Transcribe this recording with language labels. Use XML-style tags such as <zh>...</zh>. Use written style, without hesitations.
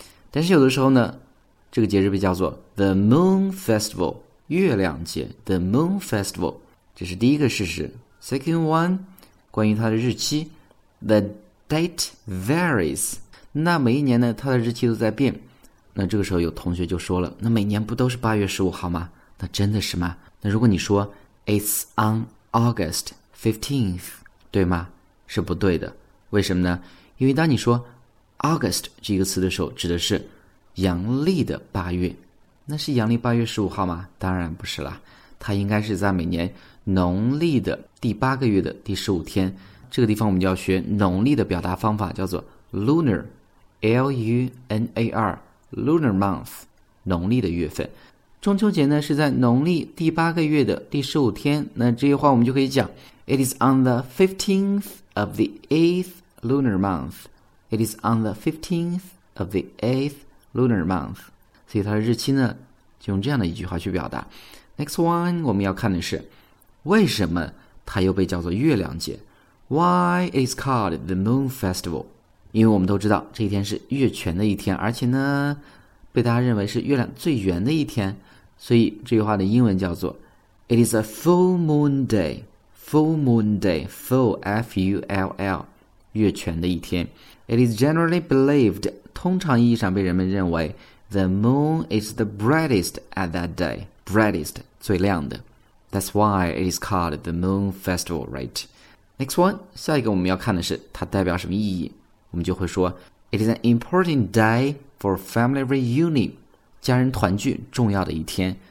<zh>但是有的时候呢，这个节日被叫做</zh> <en>The Moon Festival,</en> <zh>月亮节 The Moon Festival,这是第一个事实。</zh> <en>Second one,</en> <zh>关于它的日期，</zh> <en>The date varies.</en> <zh>那每一年呢，它的日期都在变。那这个时候有同学就说了，那每年不都是8月15号吗？那真的是吗？那如果你说</zh> <en>It's on August 15th,</en> <zh>对吗？是不对的。为什么呢？因为当你说 August 这个词的时候，指的是阳历的8月。那是阳历8月15号吗？当然不是啦，它应该是在每年农历的第八个月的第十五天。这个地方我们就要学农历的表达方法，叫做 Lunar, L-U-N-A-R, Lunar Month, 农历的月份。中秋节呢是在农历第八个月的第十五天，那这句话我们就可以讲</zh> <en>It is on the 15th of the 8th Lunar Month. It is on the 15th of the 8th Lunar Month.</en> <zh>所以它的日期呢就用这样的一句话去表达。</zh> <en>Next one,</en> <zh>我们要看的是为什么它又被叫做月亮节。</zh> <en>Why is called the Moon Festival?</en> <zh>因为我们都知道这一天是月全的一天，而且呢被大家认为是月亮最圆的一天，所以这句话的英文叫做</zh> <en>It is a full moon day, full moon day, full, F-U-L-L,</en> <zh>月全的一天。</zh> <en>It is generally believed,</en> <zh>通常意义上被人们认为</zh> <en>The moon is the brightest at that day,Brightest,</en> <zh>最亮的。</zh> <en>That's why it is called the Moon Festival, right? Next one,</en> <zh>下一个我们要看的是它代表什么意义。我们就会说</zh> <en>It is an important day for family reunion,</en> <zh>家人团聚重要的一天。</zh>